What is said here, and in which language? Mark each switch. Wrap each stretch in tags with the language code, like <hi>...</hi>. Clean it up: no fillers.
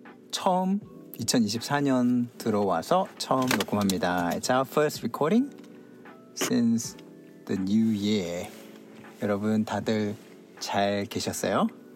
<ko>처음 2024년 들어와서 처음 녹음합니다.</ko> <en>It's our first recording since the new year.</en> <ko>여러분 다들 잘 계셨어요?</ko>